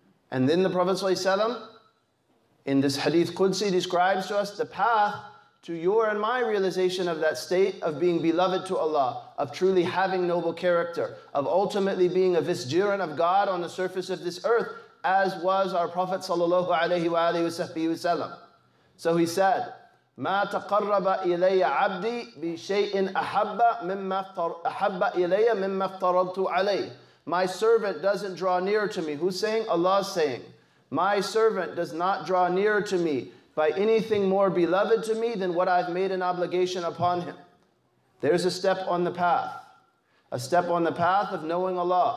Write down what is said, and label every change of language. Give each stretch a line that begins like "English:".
English: And then the Prophet ﷺ, in this hadith Qudsi, describes to us the path to your and my realization of that state of being beloved to Allah, of truly having noble character, of ultimately being a vicegerent of God on the surface of this earth, as was our Prophet sallallahu alayhi wa alihi wa sallam. So he said,
Arabic: ما تقرب إلي عبدي بشيء أحب مما أحب إلي مما افترضت عليه.
English: My servant doesn't draw near to me. Who's saying? Allah's saying, my servant does not draw near to me by anything more beloved to me than what I've made an obligation upon him. There's a step on the path. A step on the path of knowing Allah.